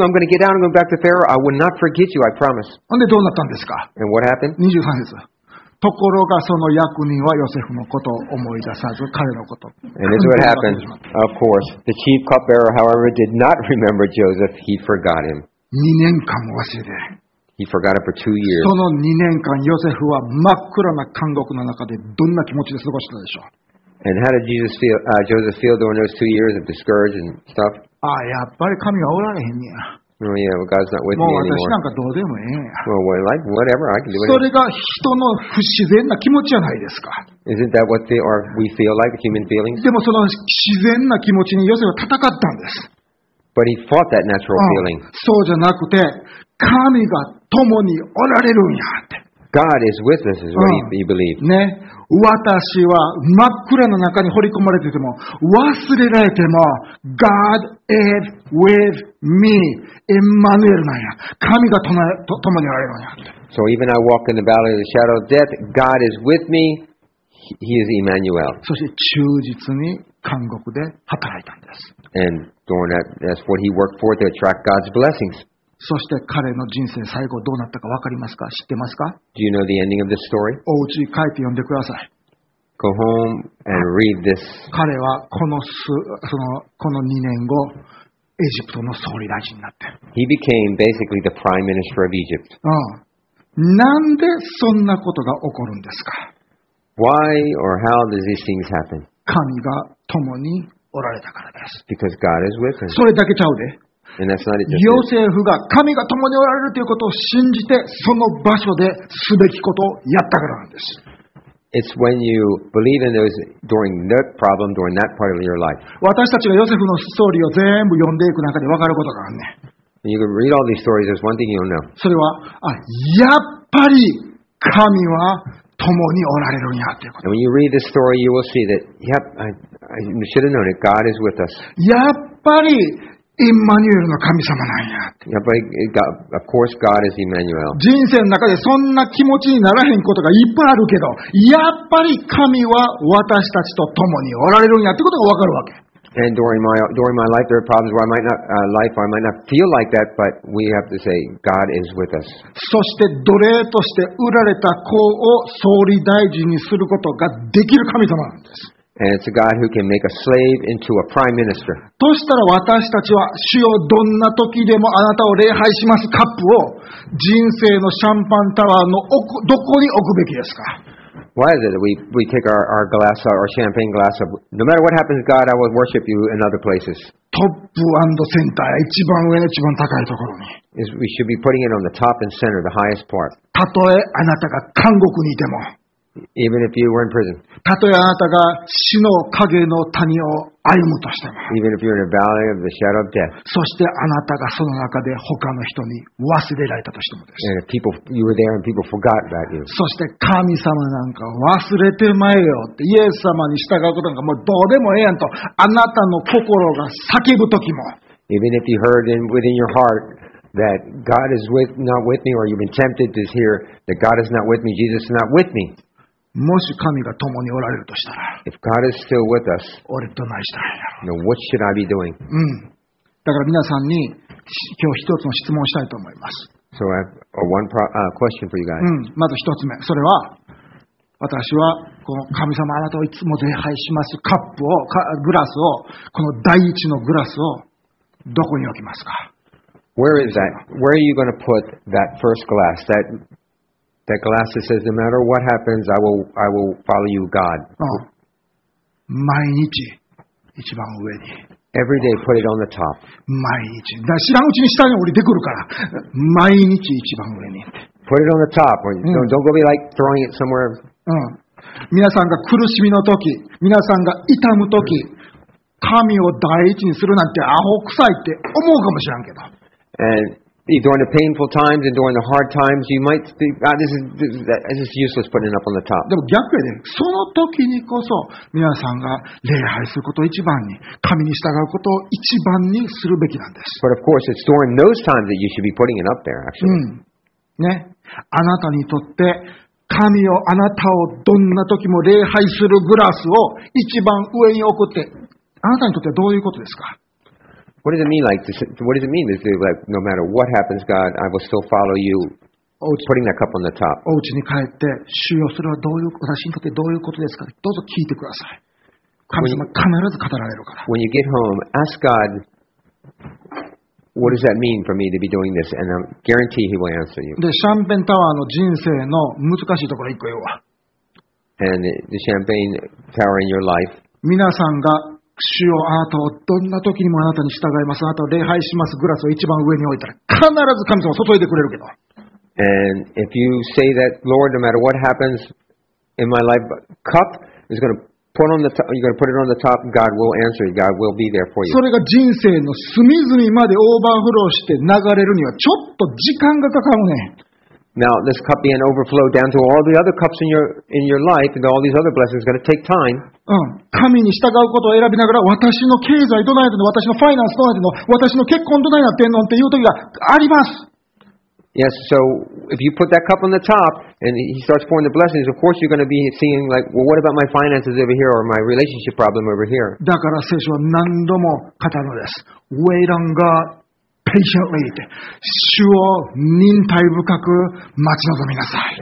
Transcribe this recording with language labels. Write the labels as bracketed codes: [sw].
[en] I'm going to get out and go back to Pharaoh. I will not forget you, I promise. And what happened? [ja] 23節。ところがその役人はヨセフのことを思い出さず彼のことを。 [en] And this is what happened. Of course, the chief cupbearer, however, did not remember Joseph. He forgot him. [ja] 2年間も忘れて。 [en] He forgot it for 2 years. [ja] その2年間、ヨセフは真っ暗な監獄の中でどんな気持ちで過ごしたでしょう。 [en] And how did Joseph feel during those 2 years of discouragement and stuff? [ja] ああ、やっぱり神がおられへんねや。 [en] Oh yeah, well, God's not with me anymore. [ja] もう私なんかどうでもいい。 [en] Well, whatever, I can do it. [ja] それが人の不自然な気持ちじゃないですか。 [en] Isn't that what we feel like, human feelings? [ja] でもその自然な気持ちにヨセフは戦ったんです。 [en] But he fought that natural feeling. [ja] そうじゃなくて、神が共におられるんやって。 [en] God is with us, is what he believed. [ja] ね。私は真っ暗の中に放り込まれてても忘れられても [en] God is with me [ja] Emmanuel なんや神が共におられるんや [en] So even I walk in the valley of the shadow of death God is with me He is Emmanuel [ja] そして忠実に監獄で働いたんです [en] And during that's what he worked for to attract God's blessings [ja] そして彼の人生最後どうなったか分かりますか知ってますか [en] Do you know the ending of this story? [ja] お家に帰って読んでください。 [en] Go home and read this. [ja] 彼はこの2年後、エジプトの総理大臣になって。 [en] He became basically the prime minister of Egypt. [ja] なんでそんなことが起こるんですか [en] Why or how does these things happen? [ja] 神が共におられたからです。 [en] Because God is with him. [ja] それだけちゃうで。 [en] And that's not it, [ja] ヨセフが神が共におられるということを信じてその場所ですべきことをやったからなんです。 [en] It's when you believe in those during that problem during that part of your life。 [ja] 私たちがヨセフのストーリーを全部読んでいく中で分かることがあるね。 [en] You can read all these stories. There's one thing you'll know。 [ja] それはやっぱり神は共におられるんやということ。 [en] And when you read this story, you will see that yep, I should have known it. God is with us。 [ja] やっぱりイマニュエルの神様なんや。 [en] やっぱり、of course God is Emmanuel. [ja] 人生の中でそんな気持ちにならへんことがいっぱいあるけど、やっぱり神は私たちと共におられるんやってことがわかるわけ。 [en] And during my life there are problems where I might not feel like that, but we have to say God is with us. [ja] そして奴隷として売られた子を総理大臣にすることができる神様なんです。 [en] And it's a God who can make a slave into a prime minister. [ja] としたら私たちは主よどんな時でもあなたを礼拝しますカップを人生のシャンパンタワーのどこに置くべきですか [en] Why is it that we take our glass, our champagne glass of, no matter what happens, God, I will worship you in other places. [ja] トップ&センター、一番上の一番高いところに。 [en] Is we should be putting it on the top and center, the highest part. [ja] たとえあなたが監獄にいても。 [en] Even if you were in prison. [ja] たとえあなたが死の影の谷を歩むとしても。 [en] Even if you're in a valley of the shadow of death. [ja] そしてあなたがその中で他の人に忘れられたとしてもです。 [en] And people, you were there and people forgot about you. [ja] そして神様なんか忘れてまえよって、イエス様に従うことなんかもうどうでもええやんと、あなたの心が叫ぶときも。 [en] Even if you heard in, within your heart. That God is with, not with me, or you've been tempted to hear that God is not with me, Jesus is not with me. [ja] もし神が共におられるとしたら、 [en] If God is still with us, [ja] 俺どないしたらいいやろ。 [en] Now, what should I be doing? [ja] うん。だから皆さんに今日一つの質問をしたいと思います。 [en] So I have a one pro, question for you guys. [ja] うん。まず一つ目、それは私はこの神様あなたをいつも礼拝しますカップをグラスをこの第一のグラスをどこに置きますか。 [en] Where is that? Where are you going to put that first glass? That glass that says, no matter what happens, I will follow you, God. [ja] 毎日一番上に。 [en] Every day, put it on the top. [ja] 毎日。だから知らんうちに下に降りてくるから。毎日一番上に。 [en] Put it on the top. Don't go be like throwing it somewhere. [ja] 皆さんが苦しみの時、皆さんが痛む時、神を第一にするなんてアホ臭いって思うかもしらんけど。 [en] And during the painful times and during the hard times, you might think, ah, this is useless putting it up on the top. [ja] でも逆にね、その時にこそ皆さんが礼拝することを一番に、神に従うことを一番にするべきなんです。 [en] But of course, it's during those times that you should be putting it up there, actually. [ja] うん。ね。あなたにとって、神をあなたをどんな時も礼拝するグラスを一番上に置くって、あなたにとってはどういうことですか？ [en] What does it mean? Like, what does it mean? Is it like, no matter what happens, God, I will still follow you, putting that cup on the top. [ja] お家に帰って、主よ、それはどういう、私にとってどういうことですか？どうぞ聞いてください。神様必ず語られるから。 [en] When you get home, ask God, what does that mean for me to be doing this? And I guarantee He will answer you. [ja] で、シャンペンタワーの人生の難しいところ一個言うわ。 [en] And the champagne tower in your life. [ja] 皆さんが主よあなたをどんな時にもあなたに従います。あなたを礼拝します。グラスを一番上に置いたら必ず神様を注いでくれるけど。 [en] And if you say that, Lord, no matter what happens in my life, cup is going to put on the top, you're going to put it on the top, God will answer you. God will be there for you. [ja] それが人生の隅々までオーバーフローして流れるにはちょっと時間がかかるね。 [en] Now, this cup being overflowed down to all the other cups in your life and all these other blessings is going to take time. [ja] 神に従うことを選びながら、私の経済どないなの、私のファイナンスどないなの、私の結婚どないなってんのっていう時があります。 [en] Yes, so if you put that cup on the top and he starts pouring the blessings, of course you're going to be seeing like, well, what about my finances over here or my relationship problem over here? [ja] だから聖書は何度も語るのです。 [en] Wait on God. [ja] Patiently, 主を忍耐深く待ち望みなさい。